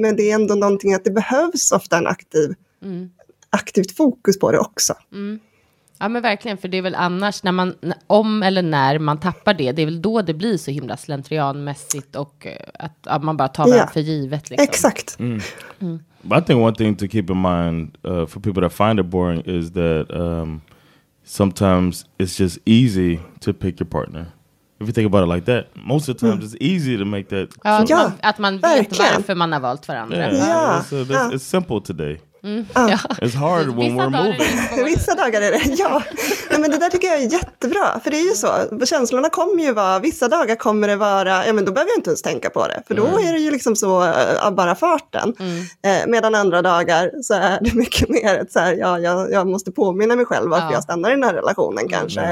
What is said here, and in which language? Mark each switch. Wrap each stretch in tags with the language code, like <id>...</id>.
<sv>Men det är ändå någonting att det behövs ofta en aktivt fokus på det också. Mm. Ja men verkligen, för det är väl annars när man, om eller när man tappar det är väl då det blir så himla slentrianmässigt och att man bara tar det för givet liksom. Exakt. Mm. Mm.</sv> <en>But I think one thing to keep in mind for people that find it boring is that sometimes it's just easy to pick your partner. If you think about it like that, most of the times it's easy to make that.</en> <sv>Ja, att man vet varför man har valt varandra.</sv> <en>Yeah. It's simple today. It's hard when we're moving.</en> <sv>Vissa dagar är det, ja. Nej, men det där tycker jag är jättebra. För det är ju så, känslorna kommer ju vara, vissa dagar kommer det vara, ja men då behöver jag inte ens tänka på det. För då är det ju liksom så av bara farten. Medan andra dagar så är det mycket mer ett så här, ja jag måste påminna mig själv varför jag stannar i den här relationen kanske. Mm.</sv>